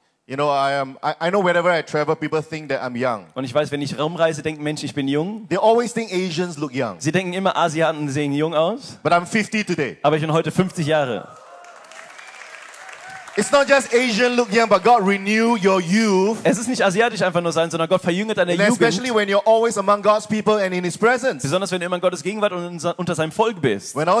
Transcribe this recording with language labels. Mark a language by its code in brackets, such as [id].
[en] You know I know wherever I travel people think that I'm young. [de] Und ich weiß, wenn ich rumreise, denken Menschen, ich bin jung. [en] They always think Asians look young. [de] Sie denken immer, Asiaten sehen jung aus. [en] But I'm 50 today. [de] Aber ich bin heute 50 Jahre. [en] It's not just Asian look young, but God renew your youth. [de] Es ist nicht asiatisch einfach nur sein, sondern Gott verjüngt deine Jugend. [en] Especially when you're always among God's people and in His presence. [de] Besonders wenn du immer in Gottes Gegenwart und unter seinem Volk bist.